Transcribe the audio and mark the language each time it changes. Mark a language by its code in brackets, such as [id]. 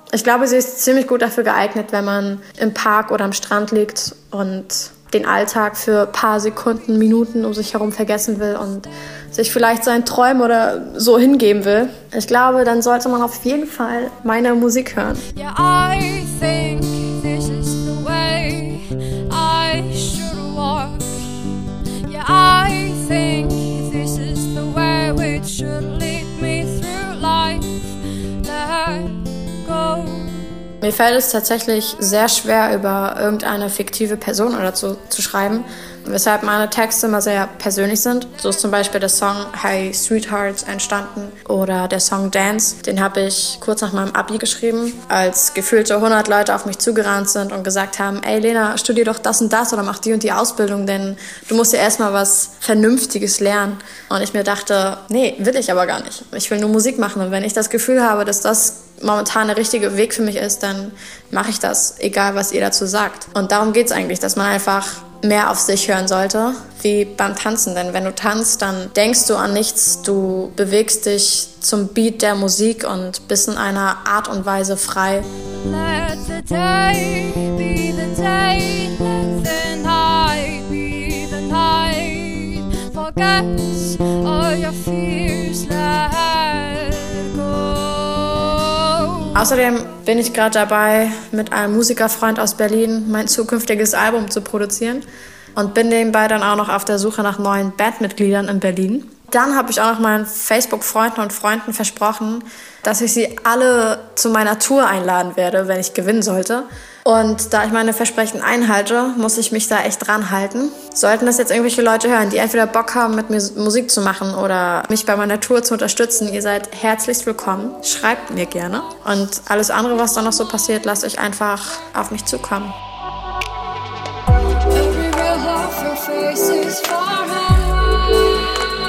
[de] Ich glaube, sie ist ziemlich gut dafür geeignet, wenn man im Park oder am Strand liegt und den Alltag für ein paar Sekunden, Minuten um sich herum vergessen will und sich vielleicht seinen Träumen oder so hingeben will. Ich glaube, dann sollte man auf jeden Fall meine Musik hören. [en] Yeah, I think this is the way I should walk. Yeah, I think this is the way which should lead me through life. Let's go. [de] Mir fällt es tatsächlich sehr schwer, über irgendeine fiktive Person oder so zu schreiben, weshalb meine Texte immer sehr persönlich sind. So ist zum Beispiel der Song Hey Sweethearts entstanden oder der Song Dance. Den habe ich kurz nach meinem Abi geschrieben, als gefühlte 100 Leute auf mich zugerannt sind und gesagt haben, ey Lena, studier doch das und das oder mach die und die Ausbildung, denn du musst ja erstmal was Vernünftiges lernen. Und ich mir dachte, nee, will ich aber gar nicht. Ich will nur Musik machen. Und wenn ich das Gefühl habe, dass das momentan der richtige Weg für mich ist, dann mache ich das, egal was ihr dazu sagt. Und darum geht es eigentlich, dass man einfach mehr auf sich hören sollte, wie beim Tanzen. Denn wenn du tanzt, dann denkst du an nichts, du bewegst dich zum Beat der Musik und bist in einer Art und Weise frei. [en] Let the day be the day, let the night be the night. Forget all your fears, let go. [de] Außerdem bin ich gerade dabei, mit einem Musikerfreund aus Berlin mein zukünftiges Album zu produzieren und bin nebenbei dann auch noch auf der Suche nach neuen Bandmitgliedern in Berlin. Dann habe ich auch noch meinen Facebook-Freunden und Freunden versprochen, dass ich sie alle zu meiner Tour einladen werde, wenn ich gewinnen sollte. Und da ich meine Versprechen einhalte, muss ich mich da echt dran halten. Sollten das jetzt irgendwelche Leute hören, die entweder Bock haben, mit mir Musik zu machen oder mich bei meiner Tour zu unterstützen, ihr seid herzlichst willkommen. Schreibt mir gerne. Und alles andere, was da noch so passiert, lasst euch einfach auf mich zukommen. [en] Everywhere half your face is far away.